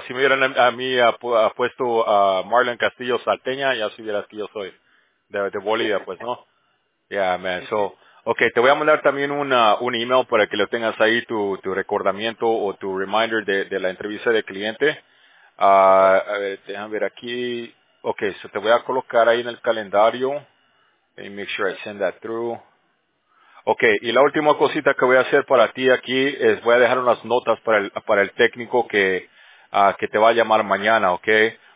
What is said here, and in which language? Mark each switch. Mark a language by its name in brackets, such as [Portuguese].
[Spanish] Si me hubieran a mí puesto a Marlon Castillo Salteña, ya supieras que yo soy de Bolivia, pues, ¿no? [English] Yeah, man, so... [Spanish] Okay, te voy a mandar también un email para que lo tengas ahí, tu recordamiento o tu reminder de la entrevista de cliente. A ver, déjame ver aquí. [English] Okay, so [Spanish] te voy a colocar ahí en el calendario. [English] Let me make sure I send that through. [Spanish] Okay, y la última cosita que voy a hacer para ti aquí es voy a dejar unas notas para el técnico que te va a llamar mañana, okay?